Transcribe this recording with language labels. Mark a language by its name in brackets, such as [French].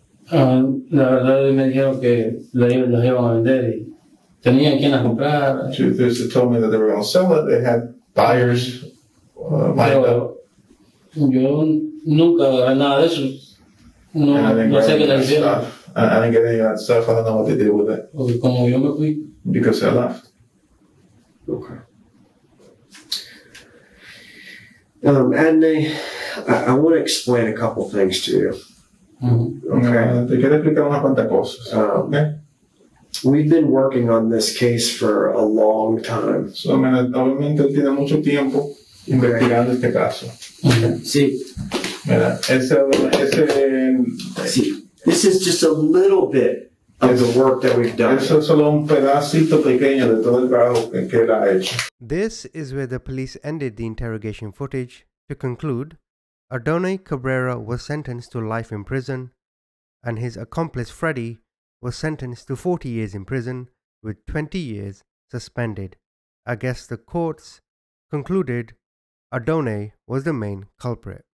[Spanish] La verdad me dijeron que las iban a vender y tenían quien las comprar. [English] Truth is, they told me that they were going to sell it. They had buyers. [Spanish] Yo nunca agarré nada de eso. No sé qué les hicieron. [English] I didn't get any of that stuff. I don't know what they did with it. [Spanish] Como yo me fui? [English] Because I left. Okay. Adonay, I want to explain a couple things to you. Okay. We've been working on this case for a long time. [Spanish] So, obviamente, tiene mucho tiempo investigando este caso. Sí. Sí. [English] This is just a little bit of the work that we've done. [Spanish] Eso es solo un pedacito pequeño de todo el trabajo que él ha hecho. [English] This is where the police ended the interrogation footage. To conclude, Adonay Cabrera was sentenced to life in prison, and his accomplice Freddy was sentenced to 40 years in prison with 20 years suspended. I guess the courts concluded Adonay was the main culprit.